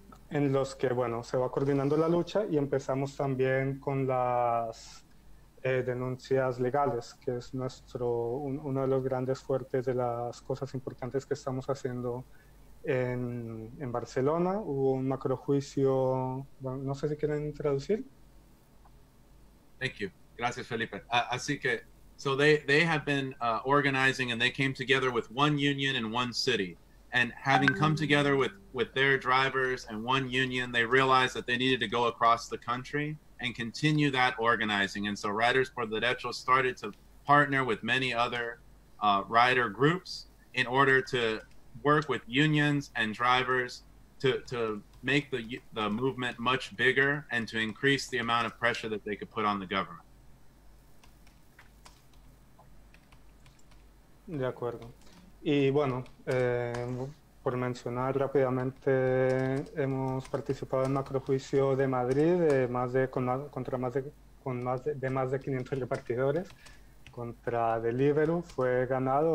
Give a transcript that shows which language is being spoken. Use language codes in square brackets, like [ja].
[es] en los que, bueno, se va coordinando la lucha y empezamos también con las denuncias legales, que es uno de los grandes fuertes de las cosas importantes que estamos haciendo en Barcelona. Hubo un macrojuicio, bueno, no sé si quieren traducir. [en] Thank you. [es] Gracias, [en] Felipe. [es] Así que, [en] so they have been organizing and they came together with one union in one city. And having come together with their drivers and one union, they realized that they needed to go across the country and continue that organizing. And so Riders por Derechos started to partner with many other rider groups in order to work with unions and drivers to make the movement much bigger and to increase the amount of pressure that they could put on the government. [es] De acuerdo. Y bueno, por mencionar rápidamente, hemos participado en macrojuicio de Madrid de más de 500 repartidores contra Deliveroo. Fue ganado.